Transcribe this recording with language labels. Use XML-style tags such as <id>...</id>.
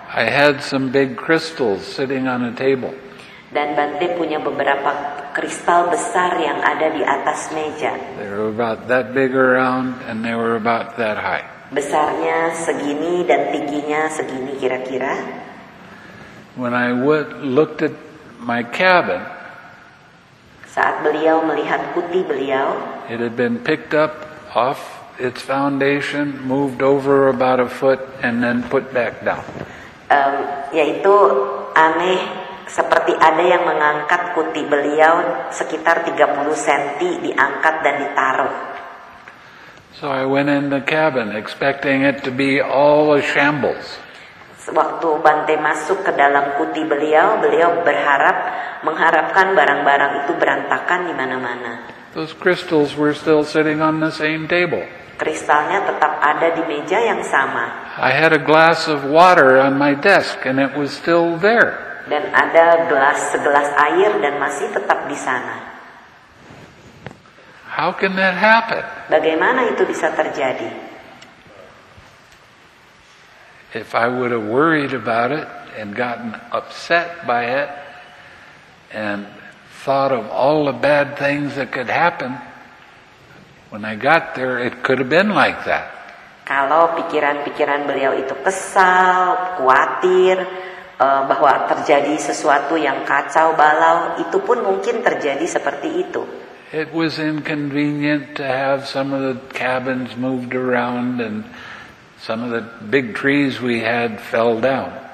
<en>I had some big crystals sitting on a table.</en> <id>Dan Bante punya beberapa kristal besar yang ada di atas meja.</id> <en>They were about that big around and they were about that high.</en> <id>Besarnya segini dan tingginya segini kira-kira.</id> <en>When I looked at my cabin,</en> <id>saat beliau melihat kuti beliau,</id> <en>it had been picked up off its foundation, moved over about a foot, and then put back down.</en> <id>Yaitu aneh, seperti ada yang mengangkat kuti beliau sekitar 30 cm diangkat dan ditaruh.</id> <en>So I went in the cabin expecting it to be all a shambles.</en> <id>Waktu Bante masuk ke dalam kuti beliau, beliau berharap, mengharapkan barang-barang itu berantakan di mana-mana.</id> <en>Those crystals were still sitting on the same table.</en> <id>Kristalnya tetap ada di meja yang sama.</id> <en>I had a glass of water on my desk and it was still there.</en> <id>Dan ada gelas segelas air dan masih tetap di sana.</id> <en>How can that happen?</en> <id>Bagaimana itu bisa terjadi?</id> <en>If I would have worried about it and gotten upset by it and thought of all the bad things that could happen, when I got there, it could have been like that.</en> <id>Kalau pikiran-pikiran beliau itu kesal, khawatir, bahwa terjadi sesuatu yang kacau balau, itu pun mungkin terjadi seperti itu.</id> <en>It was inconvenient to have some of the cabins moved around and some of the big trees we had fell down.</en>